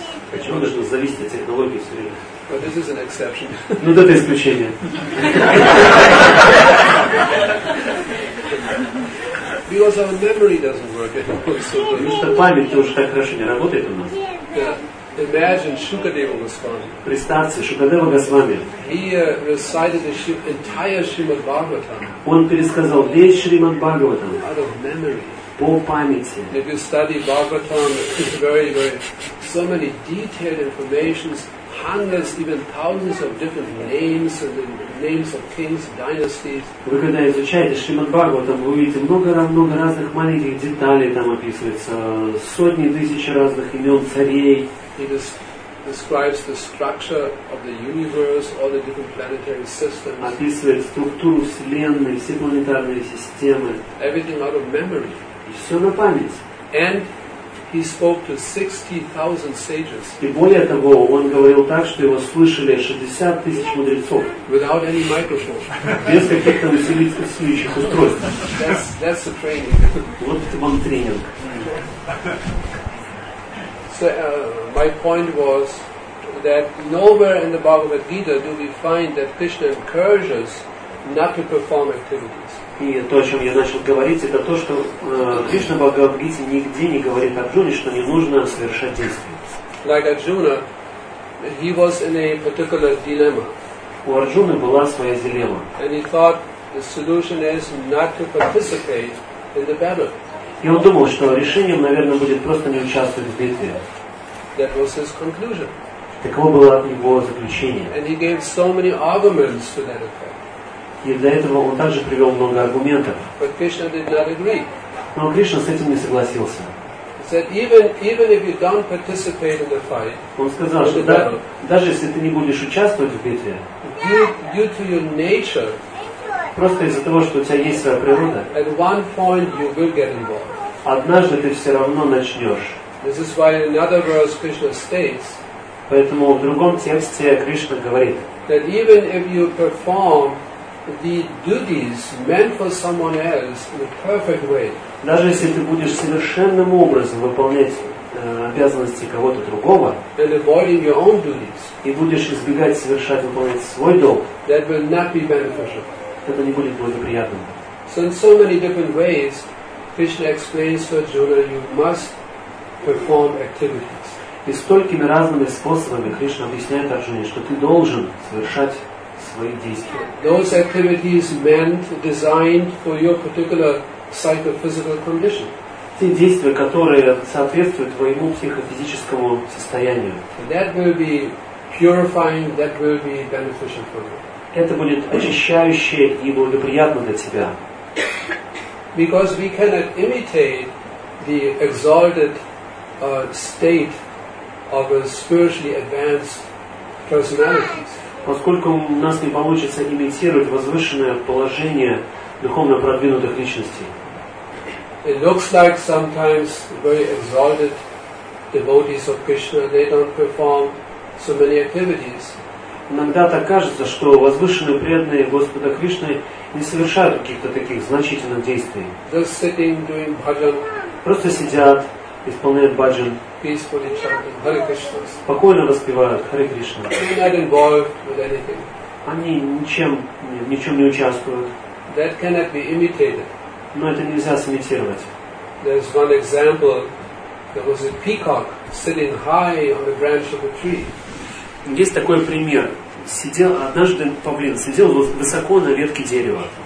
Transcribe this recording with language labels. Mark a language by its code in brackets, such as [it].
[ru] Почему нужно зависеть от технологии все время? [en] But this is an exception. [ru] Ну, это исключение. [en] Because our memory doesn't work anymore. [ru] Потому что память-то уже так хорошо не работает у нас. [en] Imagine Shukadeva Goswami. [ru] Представьте, Шукадева Госвами. [en] He recited the entire Shrimad Bhagavatam. [ru] Он пересказал весь Шримад Бхагаватам. [en] Out of memory. [ru] По памяти. [en] If you study Bhagavatam, it's very, very, so many detailed information, hundreds, even thousands of different names and the names of kings, dynasties. [ru] Вы когда изучаете Шримад Бхагаватам, вы увидите много разных маленьких деталей, там описывается сотни тысяч разных имен царей. [en] He describes the structure of the universe, all the different planetary systems. [ru] Описывает структуру вселенной, все планетарные системы. [en] Everything out of memory. [ru] И все на память. [en] And he spoke to 60,000 sages. [ru] И более того, он говорил так, что его слышали 60 тысяч мудрецов. [en] Without any microphone. [ru] Без каких-то усиливающих устройств. [en] That's the training. [ru] Вот это вам тренинг. [en] My point was that nowhere in the Bhagavad Gita do we find that Krishna encourages not to perform activities. [ru] И то, о чем я начал говорить, это то, что Кришна в Бхагавад Гите нигде не говорит Арджуне, что не нужно совершать действия. [en] Like Arjuna, he was in a particular dilemma. [ru] У Арджуны была своя дилемма. [en] And he thought the solution is not to participate in the battle. [ru] И он думал, что решением, наверное, будет просто не участвовать в битве. [en] That was his conclusion. [ru] Таково было его заключение. [en] And he gave so many arguments to that effect. [ru] И для этого он также привел много аргументов. [en] But Krishna did not agree. [ru] Но Кришна с этим не согласился. [en] He said, even if you don't participate in the fight, [ru] он сказал, что даже если ты не будешь участвовать в битве, [en] due to your nature, [ru] просто из-за того, что у тебя есть своя природа, [en] at one point you will get involved. [ru] Однажды ты все равно начнешь. [en] This is why in another verse Krishna states, [ru] поэтому в другом тексте Кришна говорит, [en] that even if you perform the duties meant for someone else in a perfect way, [ru] даже если ты будешь совершенным образом выполнять обязанности кого-то другого, [en] and avoiding your own duties, [ru] и будешь избегать совершать выполнять свой долг, [en] that will not be beneficial. [ru] Это не будет благоприятным. [en] So in so many different ways, Krishna explains to Arjuna, you must perform activities. [ru] И столькими разными способами Кришна объясняет Арджуне, что ты должен совершать свои действия. [en] Those activities meant designed for your particular psychophysical condition. [ru] Те действия, которые соответствуют твоему психофизическому состоянию. [en] That will be purifying, that will be beneficial for you. [ru] Это будет очищающе и благоприятно для тебя. [en] Because we cannot imitate the exalted state of a spiritually advanced personality. [ru] Поскольку у нас не получится имитировать возвышенное положение духовно продвинутых личностей. [en] It looks like sometimes very exalted devotees of Krishna, they don't perform so many activities. [ru] Иногда так кажется, что возвышенные преданные Господа Кришны не совершают каких-то таких значительных действий. [en] Just sitting, doing bhajan. [ru] Просто сидят, исполняют бхаджан. [en] Peacefully chanting Hare Krishna. [ru] Спокойно воспевают Харе Кришна. [en] They're not involved with anything. [ru] Они ничем не участвуют. [en] That cannot be imitated. [ru] Но это нельзя сымитировать. [en] There's one example. There was a peacock sitting high on a branch of a tree. [ru] Есть такой пример. Сидел однажды павлин, сидел высоко на ветке дерева.